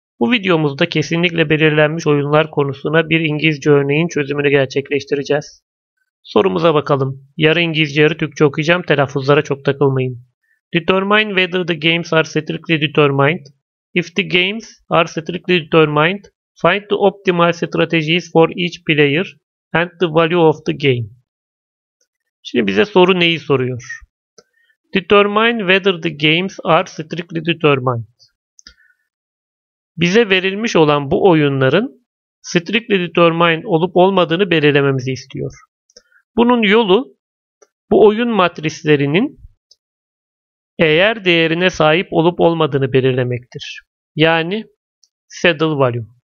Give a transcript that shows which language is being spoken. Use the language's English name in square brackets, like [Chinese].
[Turkish] Bu videomuzda kesinlikle belirlenmiş oyunlar konusuna bir İngilizce örneğin çözümünü gerçekleştireceğiz. Sorumuza bakalım. Yarı İngilizce yarı Türkçe okuyacağım, telaffuzlara çok takılmayın. [English] Determine whether the games are strictly determined. If the games are strictly determined, find the optimal strategies for each player and the value of the game. [Turkish] Şimdi bize soru neyi soruyor? [English] Determine whether the games are strictly determined. [Turkish] Bize verilmiş olan bu oyunların strictly determined olup olmadığını belirlememizi istiyor. Bunun yolu bu oyun matrislerinin eğer değerine sahip olup olmadığını belirlemektir. Yani saddle value.